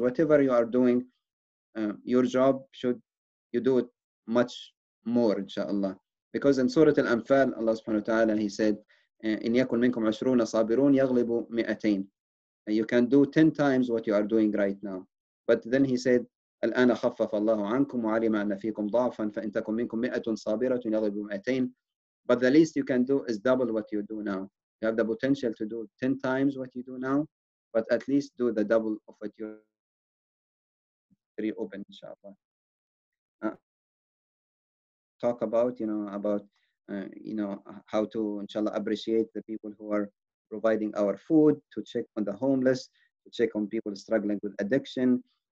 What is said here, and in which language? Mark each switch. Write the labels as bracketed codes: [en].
[en] Whatever you are doing, your job, should you do it much more, inshallah. Because in Surah Al-Anfal, Allah subhanahu wa ta'ala, he said, [ar] إِنْ يَكُنْ مِنْكُمْ عَشْرُونَ صَابِرُونَ يَغْلِبُوا مِئَتَيْنَ. [en] You can do 10 times what you are doing right now. But then he said, [ar] الْآنَ خَفَّفَ اللَّهُ عَنْكُمْ وَعَلِمَ أَنَّ فِيكُمْ ضَعْفًا فَإِنْ تَكُنْ مِنْكُمْ مِئَةٌ صَابِرَةٌ يَغْلِبُوا مِئَتَيْنَ. [en] But the least you can do is double what you do now. You have the potential to do 10 times what you do now, but at least do the double of what you reopen, inshallah. Talk about, you know, about, you know, how to, inshallah, appreciate the people who are providing our food, to check on the homeless, to check on people struggling with addiction,